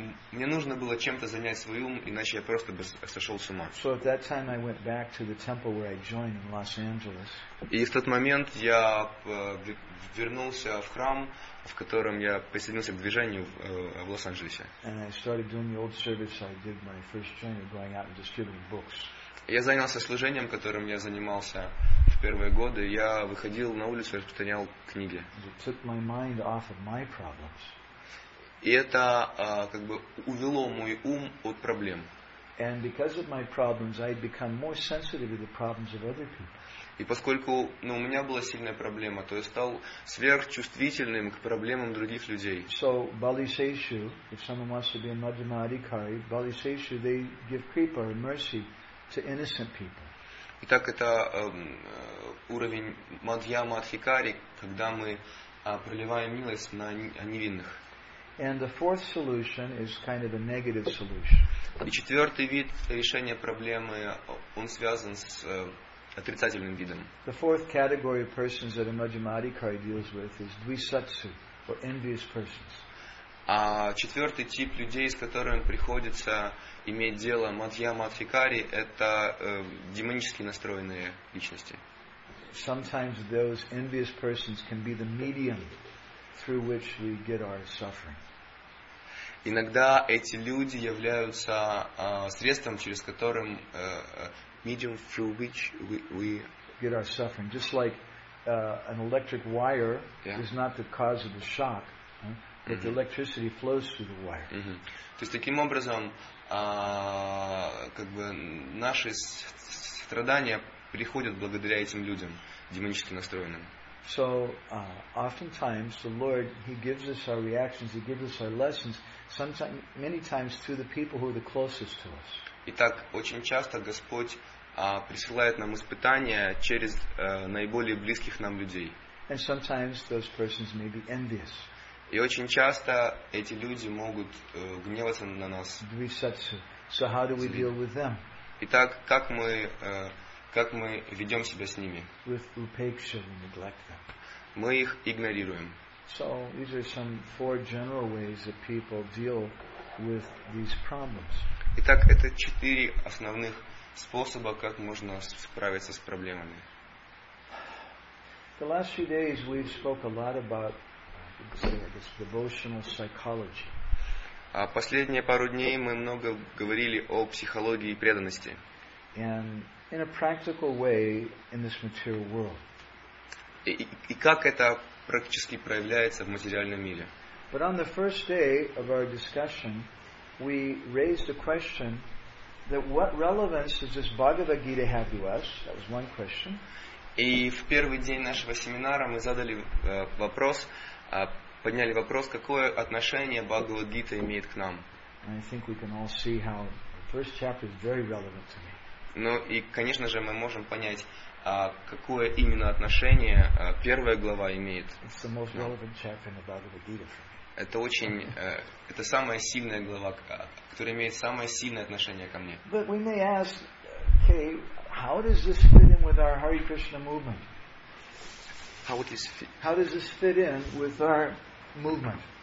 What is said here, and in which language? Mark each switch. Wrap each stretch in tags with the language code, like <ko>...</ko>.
<ru>Мне нужно было чем-то занять свой ум, иначе я просто бы сошел с ума.</ru> <en>So at that time I went back to the temple where I joined in Los Angeles.</en> <ru>И в тот момент я вернулся в храм, в котором я присоединился к движению в Лос-Анджелесе.</ru> <en>And I started doing the old service I did my first joining, going out and distributing books.</en> <ru>Я занялся служением, которым я занимался в первые годы. Я выходил на улицу и распространял книги.</ru> <en>It took my mind off of my problems.</en> <ru>И это как бы увело мой ум от проблем.</ru> <en>And because of my problems, I become more sensitive to the problems of other people.</en> <ru>И поскольку у меня была сильная проблема, то я стал сверхчувствительным к проблемам других людей.</ru> <en>So Balisheshu, if someone wants to be a Madhyama Adhikari, Balisheshu, they give kripa or mercy to innocent people.</en> <ru>Итак, это уровень Мадхьяма Адхикари, когда мы проливаем милость на невинных.</ru> <en>And the fourth solution is kind of a negative solution.</en> <ru>И четвертый вид решения проблемы, он связан с отрицательным видом.</ru> <en>The fourth category of persons that a Madhyama Adhikari deals with is dvisatsu, or envious persons.</en> <ru>А четвертый тип людей, с которым приходится иметь дело Мадхьяма Адхикари, это демонически настроенные личности.</ru> <en>Sometimes those envious persons can be the medium through which we get our suffering.</en> <ru>Иногда эти люди являются средством, через которым</ru> <en>medium through which we get our suffering. Just like an electric wire is not the cause of the shock, but the electricity flows through the wire.</en> <ru>То есть таким образом наши страдания приходят благодаря этим людям демонически настроенным.</ru> <en>So oftentimes the Lord, he gives us our reactions, he gives us our lessons, sometimes many times to the people who are the closest to us.</en> <ru>Итак, очень часто Господь присылает нам испытания через наиболее близких нам людей.</ru> <en>And sometimes those persons may be envious.</en> <ru>И очень часто эти люди могут гневаться на нас.</ru> <en>So how do we deal with them?</en> <ru>Итак, как мы ведем себя с ними?</ru> <en>With upeksha, we neglect them.</en> <ru>Мы их игнорируем.</ru> <en>So these are some four general ways that people deal with these problems.</en> <ru>Итак, это четыре основных способа, как можно справиться с проблемами.</ru> <en>The last few days we've spoke a lot about this devotional psychology.</en> <ru>А последние пару дней мы много говорили о психологии преданности.</ru> <en>And in a practical way in this material world.</en> <ru>И как это практически проявляется в материальном мире?</ru> <en>But on the first day of our discussion, we raised a question that what relevance does this Bhagavad Gita have to us? That was one question.</en> <ru>И в первый день нашего семинара мы задали вопрос, подняли вопрос, какое отношение Бхагавад-гита имеет к нам.</ru> <en>I think we can all see how the first chapter is very relevant to me.</en> <ru>Ну и, конечно же, мы можем понять, какое именно отношение первая глава имеет.</ru> <en>It's the most relevant chapter in the Bhagavad-gita for me.</en> <ru>Это очень, это самая сильная глава, которая имеет самое сильное отношение ко мне.</ru> <en>But we may ask, okay, how does this fit in with our Hare Krishna movement? How does this fit in with our movement?</en>